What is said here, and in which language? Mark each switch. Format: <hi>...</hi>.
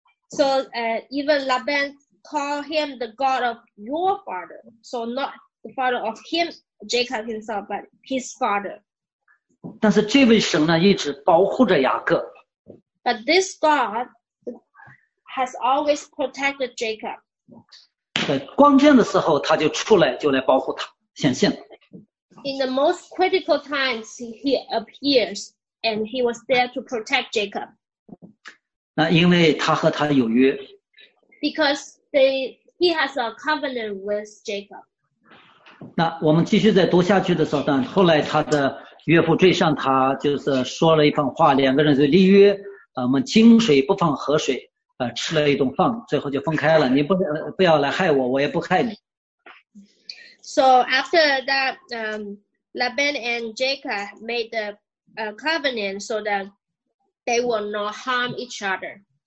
<en>So even Laban called him the God of your father. So not the father of him, Jacob himself, but his father.</en> <zh>但是这位神呢，一直保护着雅各。</zh> <en>But this God has always protected Jacob.</en> <zh>在关键的时候，他就出来，就来保护他，显现。</zh> <en>In the most critical times, he appears. And he was there to protect Jacob.</en> <zh>那因为他和他有约。</zh> <en>Because he has a covenant with Jacob.</en> <zh>那我们继续再读下去的时候，但后来他的岳父追上他，就是说了一番话，两个人就立约，我们井水不犯河水，吃了一顿饭，最后就分开了。你不要来害我，我也不害你。</zh> <en>So after that, Laban and Jacob made the covenant so that they will not harm each other.</en>